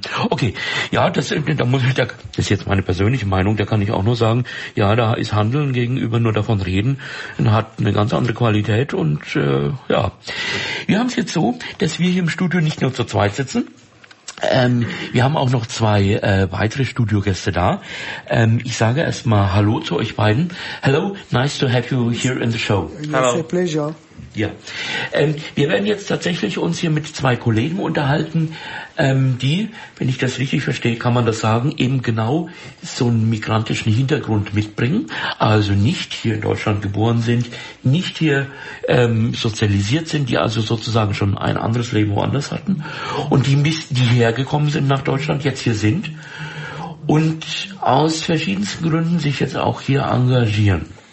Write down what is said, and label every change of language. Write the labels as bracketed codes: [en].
[de] Okay, ja, das ist jetzt meine persönliche Meinung, da kann ich auch nur sagen, ja, da ist Handeln gegenüber nur davon reden, hat eine ganz andere Qualität und ja. Wir haben es jetzt so, dass wir hier im Studio nicht nur zu zweit sitzen, wir haben auch noch zwei weitere Studiogäste da. Ich sage erstmal Hallo zu euch beiden. [en] Hello, nice to have you here in the show. Hello. It's a pleasure. [de] Ja. Wir werden jetzt tatsächlich uns hier mit zwei Kollegen unterhalten, die, wenn ich das richtig verstehe, kann man das sagen, eben genau so einen migrantischen Hintergrund mitbringen. Also nicht hier in Deutschland geboren sind, nicht hier sozialisiert sind, die also sozusagen schon ein anderes Leben woanders hatten und die hergekommen sind nach Deutschland, jetzt hier sind und aus verschiedensten Gründen sich jetzt auch hier engagieren.